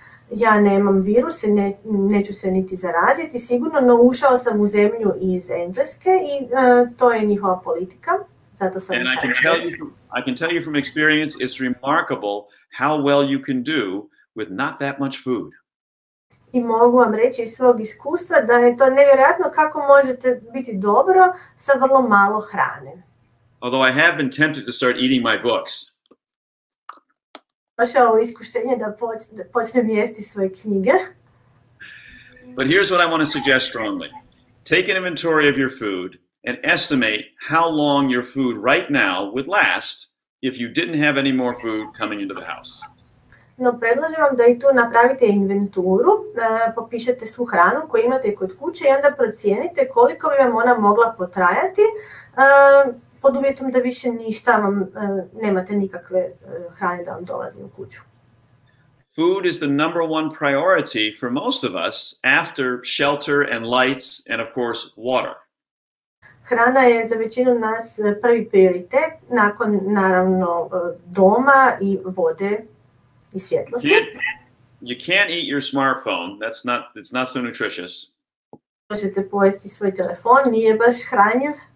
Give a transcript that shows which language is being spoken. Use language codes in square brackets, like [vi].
[hr] Ja nemam virus, neću se niti zaraziti sigurno, no ušao sam u zemlju iz Engleske I to je njihova politika. Zato sam [en] And I can tell you from experience it's remarkable how well you can do with not that much food. [hr] I mogu vam reći iz svog iskustva da je to nevjerojatno kako možete biti dobro sa vrlo malo hrane. [en] Although I have been tempted to start eating my books. [hr] Došao u iskušenje da počnem jesti svoje knjige. [en] But here's what I want to suggest strongly. Take an inventory of your food and estimate how long your food right now would last if you didn't have any more food coming into the house. [hr] No, predlažem vam da I tu napravite inventuru, popišete svu hranu koju imate kod kuće I onda procijenite koliko bi vam ona mogla potrajati pod uvjetom da više ništa vam, nemate nikakve hrane da vam dolazi u kuću. [en] Food is the number one priority for most of us after shelter and lights and of course water. [hr] Hrana je za većinu nas prvi prioritet, nakon naravno doma I vode I svjetlosti. [en] You can't eat your smartphone, it's not so nutritious. [hr] Možete pojesti svoj telefon, nije baš hranjiv.